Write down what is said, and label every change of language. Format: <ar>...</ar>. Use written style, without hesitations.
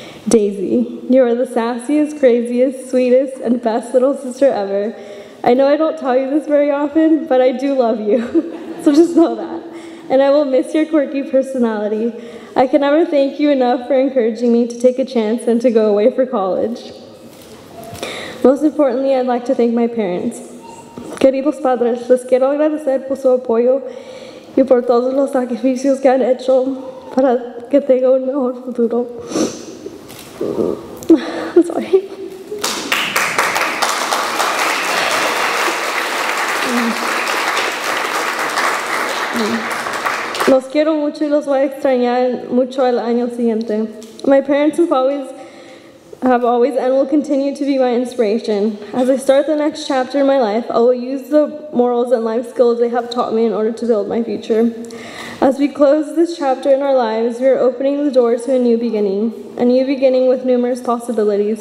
<en>Daisy, you are the sassiest, craziest, sweetest, and best little sister ever. I know I don't tell you this very often, but I do love you, so just know that. And I will miss your quirky personality. I can never thank you enough for encouraging me to take a chance and to go away for college. Most importantly, I'd like to thank my parents.</en> <es>Queridos padres, les quiero agradecer por su apoyo y por todos los sacrificios que han hecho para que tenga un mejor futuro.</es> <en>I'm sorry.</en> <es>Los quiero mucho y los voy a extrañar mucho el año siguiente.</es> <en>My parents have always have always and will continue to be my inspiration. As I start the next chapter in my life, I will use the morals and life skills they have taught me in order to build my future. As we close this chapter in our lives, we are opening the door to a new beginning with numerous possibilities.</en>